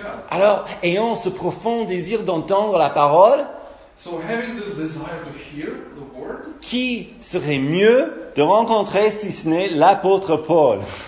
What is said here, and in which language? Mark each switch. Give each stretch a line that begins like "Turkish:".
French: Alors, ayant ce profond désir d'entendre la parole,
English: so having this desire to hear the word,
French: qui serait mieux de rencontrer si ce n'est l'apôtre Paul?